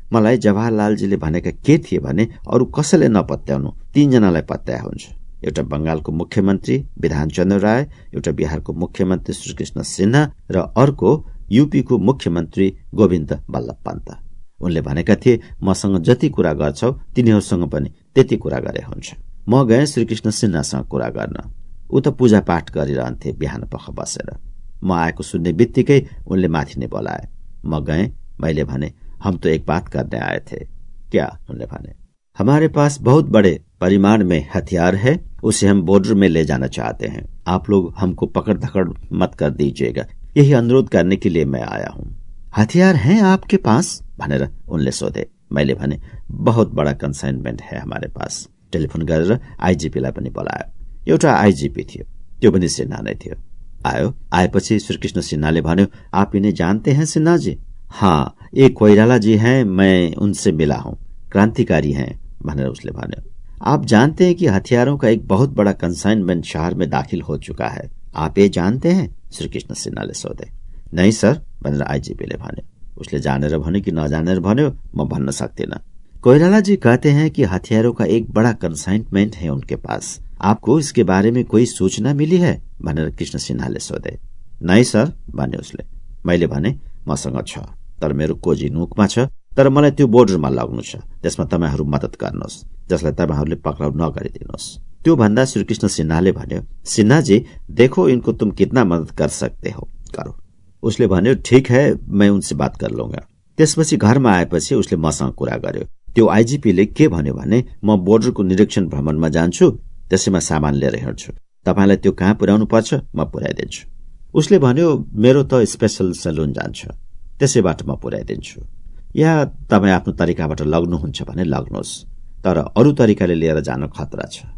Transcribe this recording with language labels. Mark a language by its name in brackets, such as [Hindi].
[Nepali] मलाई जवाहरलालजीले भनेका के थिए भने अरू कसैले नपत्याउनु, तीनजनालाई पत्या हुन्छ, एउटा बङ्गालको मुख्यमन्त्री विधान चन्द्र राय, एउटा बिहारको मुख्यमन्त्री श्रीकृष्ण सिन्हा र अर्को युपीको मुख्यमन्त्री गोविन्द बल्लभ पन्त। उनले भनेका थिए मसँग जति कुरा गर्छौ तिनीहरूसँग पनि त्यति कुरा गरे हुन्छ। म गएँ श्रीकृष्ण सिन्हासँग कुरा गर्न। ऊ त पूजा पाठ गरिरहन्थे बिहान पख बसेर। म आएको सुन्ने बित्तिकै उनले माथि नै बोलाए। म गएँ, मैले भने [Hindi] हम तो एक बात करने आए थे। क्या? [Nepali] उनले भने [Hindi] हमारे पास बहुत बड़े परिमाण में हथियार है, उसे हम बॉर्डर में ले जाना चाहते हैं, आप लोग हमको पकड़ धकड़ मत कर दीजिएगा, यही अनुरोध करने के लिए मैं आया हूँ। हथियार हैं आपके पास? [Nepali] भनेर उनले सोधे। मैले भने [Hindi] बहुत बड़ा कंसाइनमेंट है हमारे पास। [Nepali] टेलिफोन गरेर आईजीपीलाई पनि बोलायो, एउटा आईजीपी थियो, त्यो पनि सिन्हा नै थियो। आयो, आएपछि श्रीकृष्ण सिन्हाले भन्यो [Hindi] आप इन्हें जानते हैं सिन्हाजी? हाँ, ये कोइराला जी हैं, मैं उनसे मिला हूँ, क्रांतिकारी हैं, [Nepali] भनेर उसले भन्यो। [Hindi] आप जानते हैं कि हथियारों का एक बहुत बड़ा कंसाइनमेंट शहर में दाखिल हो चुका है, आप ये जानते हैं? [Nepali] श्रीकृष्ण सिन्हाले सोधे। [Hindi] नहीं सर, [Nepali] भनेर आईजीपीले भन्यो। उसले जानेर भन्यो कि नजानेर भन्यो म भन्न सक्दिन। [Hindi] कोइराला जी कहते हैं कि हथियारों का एक बड़ा कंसाइनमेंट है उनके पास, आपको इसके बारे में कोई सूचना मिली है? [Nepali] भनेर कृष्ण सिन्हाले सोधे। [Hindi] नहीं सर, [Nepali] भन्यो उसले। मैले भने मसँग छ, तर मेरो कोजी नुकमा छ, तर मलाई त्यो बोर्डरमा लग्नु छ, त्यसमा तपाईँहरू मदत गर्नुहोस्, जसलाई तपाईँहरूले पक्राउ नगरिदिनुहोस्। त्यो भन्दा श्रीकृष्ण सिन्हाले भन्यो, [Hindi] सिन्हाजी देखो इनको तुम कितना मदद कर सकते हो, करो। [Nepali] उसले भन्यो [Hindi] ठिक है, मैं उनसे बात कर लूंगा। [Nepali] त्यसपछि घरमा आएपछि उसले मसँग कुरा गर्यो। त्यो आईजीपीले के भन्यो भने म बोर्डरको निरीक्षण भ्रमणमा जान्छु, त्यसैमा सामान लिएर हिँड्छु, तपाईँलाई त्यो कहाँ पुर्याउनु पर्छ म पुर्याइदिन्छु। उसले भन्यो मेरो त स्पेसल सेलुन जान्छ, त्यसैबाट म पुर्याइदिन्छु, या तपाईँ आफ्नो तरिकाबाट लग्नुहुन्छ भने लग्नुहोस्, तर अरू तरिकाले लिएर जान खतरा छ।